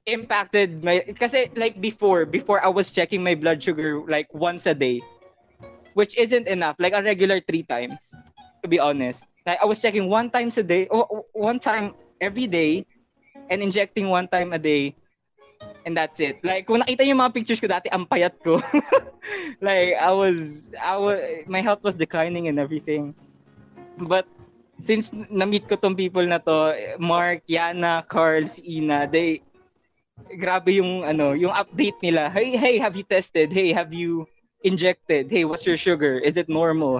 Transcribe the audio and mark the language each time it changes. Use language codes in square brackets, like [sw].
[en] impacted my, kasi like before I was checking my blood sugar like once a day, which isn't enough, like a regular 3 times, to be honest. Like I was checking 1 time a day, one time every day, and injecting 1 time a day, and that's it. [tl] Like kung nakita niyo mga pictures ko dati, ang payat ko. [en] Like I was my health was declining and everything. [tl] But since na-meet ko tong people na to, Mark, Yana, Carl, si Ina, they grabe yung ano, yung update nila. [en] Hey, have you tested? Hey, have you injected? Hey, what's your sugar? Is it normal?